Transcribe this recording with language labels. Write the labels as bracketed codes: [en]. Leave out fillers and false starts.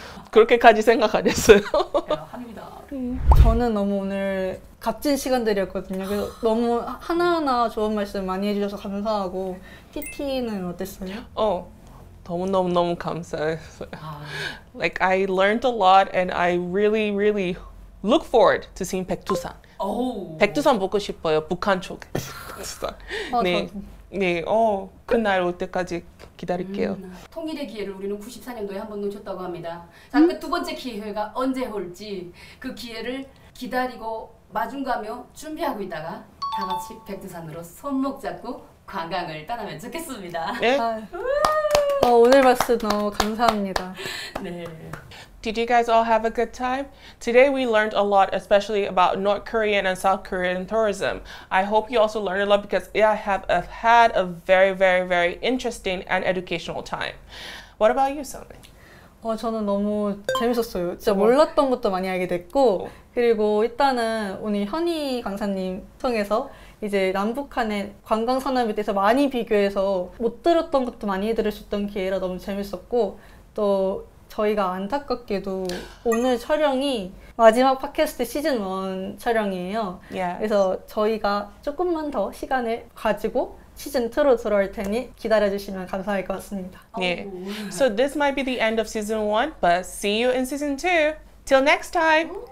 [ko] 그렇게까지 생각 안 했어요. 합니다. 저는 너무 오늘 값진 시간들이었거든요. 그래서 너무 하나하나 좋은 말씀 많이 해주셔서 감사하고 TT는 어땠어요? 너무너무너무 감사했어요. [en] Like I learned a lot and I really really look forward to seeing 백두산. [ko] 백두산 보고 싶어요. 북한 쪽에. 네. 네, 그날 올 때까지 기다릴게요. 통일의 기회를 우리는 94년도에 한번 놓쳤다고 합니다. 자, 그 두 번째 기회가 언제 올지 그 기회를 기다리고 마중가며 준비하고 있다가 다 같이 백두산으로 손목 잡고 관광을 떠나면 좋겠습니다. 네. 오늘 말씀 너무 감사합니다. 네. [en] Did you guys all have a good time? Today we learned a lot, especially about North Korean and South Korean tourism. I hope you also learned a lot because I have had a very, very, very interesting and educational time. What about you, Sonny? [ko] 저는 너무 재밌었어요. 진짜 몰랐던 것도 많이 알게 됐고, 그리고 일단은 오늘 현희 강사님 통해서 이제 남북한의 관광 산업에 대해서 많이 비교해서 못 들었던 것도 많이 들을 수 있던 기회라 너무 재밌었고, 또 저희가 안타깝게도 오늘 촬영이 마지막 팟캐스트 시즌 1 촬영이에요. [en] Yes. [ko] 그래서 저희가 조금만 더 시간을 가지고 시즌 2로 들어올 테니 기다려주시면 감사할 것 같습니다. [en] Yeah. So this might be the end of season 1, but see you in season 2. Till next time. Bye.